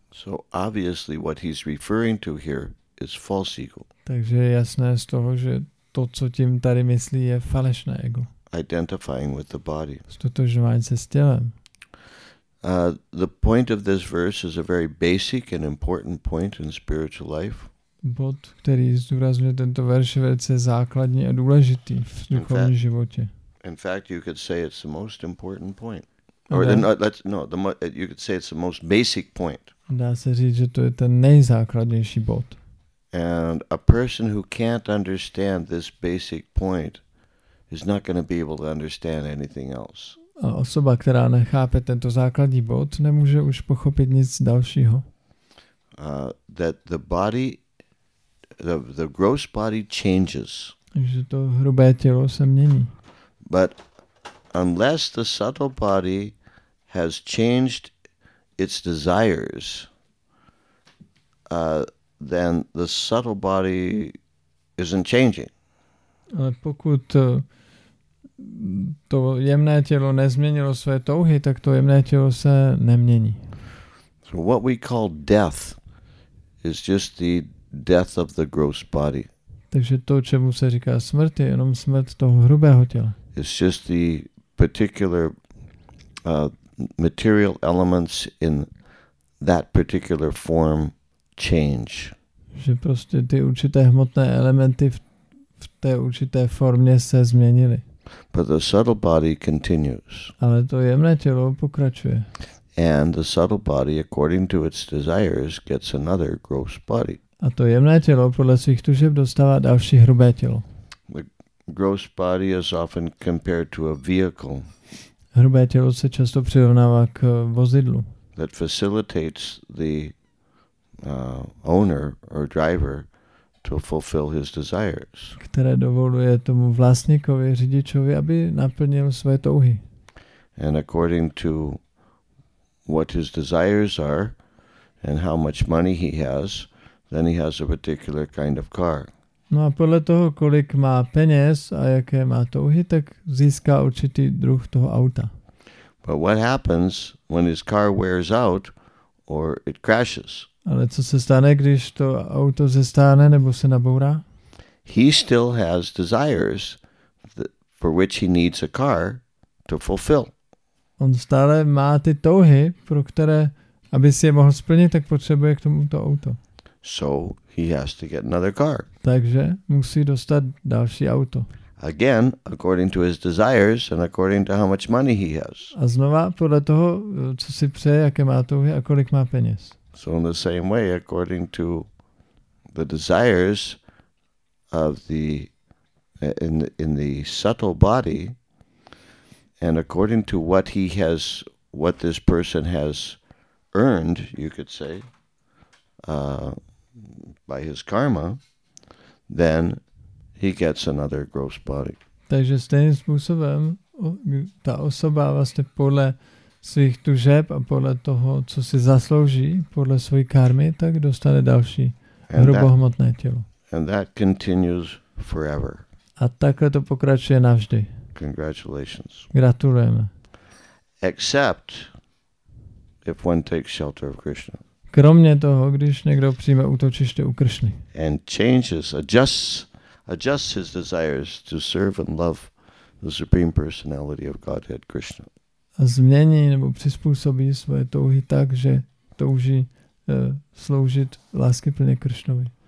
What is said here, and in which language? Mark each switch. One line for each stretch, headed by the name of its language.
English: So obviously what he's referring to here is false ego.
Czech: Takže je jasné z toho, že to, co tím tady myslí, je falešné ego.
English: Identifying with the body.
Czech: Stotožňování se s tělem.
English: The point of this verse is a very basic and important point in spiritual life.
Czech: Bod, který zdůrazňuje tento verš, je velice základní a důležitý v duchovním životě.
English: In fact, you could say it's the most important point. You could say it's the most basic point.
Czech: Dá se říct, že to je ten nejzákladnější bod.
English: And a person who can't understand this basic point is not going to be able to understand anything else.
Czech: A osoba, která nechápe tento základní bod, nemůže už pochopit nic dalšího.
English: That the body The gross body changes.
Czech: Že to hrubé tělo se mění.
English: But unless the subtle body has changed its desires, then the subtle body isn't changing.
Czech: Ale pokud to jemné tělo nezměnilo své touhy, tak to jemné tělo se nemění.
English: So what we call death is just the death of the gross body.
Czech: Takže to, čemu se říká smrt, je jenom smrt toho hrubého těla.
English: It's just the particular material elements in that particular form change.
Czech: Že prostě ty určité hmotné elementy v té určité formě se změnily.
English: But the subtle body continues.
Czech: Ale to jemné tělo pokračuje.
English: And the subtle body, according to its desires, gets another gross body.
Czech: A to jemné tělo podle svých tužeb dostává další hrubé tělo.
English: The gross body is often compared to a vehicle.
Czech: Hrubé tělo se často přirovnává k vozidlu.
English: That facilitates the owner or driver to fulfill his desires.
Czech: Které dovoluje tomu vlastníkovi, řidičovi, aby naplnil své touhy.
English: And according to what his desires are and how much money he has, then he has a particular kind of car.
Czech: No a podle toho, kolik má peněz a jaké má touhy, tak získá určitý druh toho auta.
English: But what happens when his car wears out or it crashes?
Czech: Ale co se stane, když to auto zestárne nebo se nabourá?
English: He still has desires for which he needs a car to fulfill.
Czech: On stále má ty touhy, pro které, aby si je mohl splnit, tak potřebuje k tomuto auto.
English: So he has to get another car.
Czech: Takže musí dostat další auto.
English: Again, according to his desires and according to how much money he has.
Czech: A znova podle toho, co si přeje, jaké má touhy a kolik má peněz.
English: So in the same way, according to the desires of the in the subtle body, and according to what he has, what this person has earned, you could say, by his karma, then he gets another gross body.
Czech: Takže stejným způsobem ta osoba vlastně podle svých tužeb a podle toho, co si zaslouží, podle své karmy, tak dostane další hrubohmotné tělo.
English: And that continues forever.
Czech: A takhle to pokračuje navždy.
English: Congratulations.
Czech: Gratulujeme.
English: Except if one takes shelter of Krishna.
Czech: Kromě toho, když někdo přijme útočiště u Kršny.
English: And changes, adjusts his desires to serve and love the Supreme Personality of Godhead Krishna.
Czech: A změní nebo přizpůsobí svoje touhy tak, že touží sloužit láskyplně Kršnovi.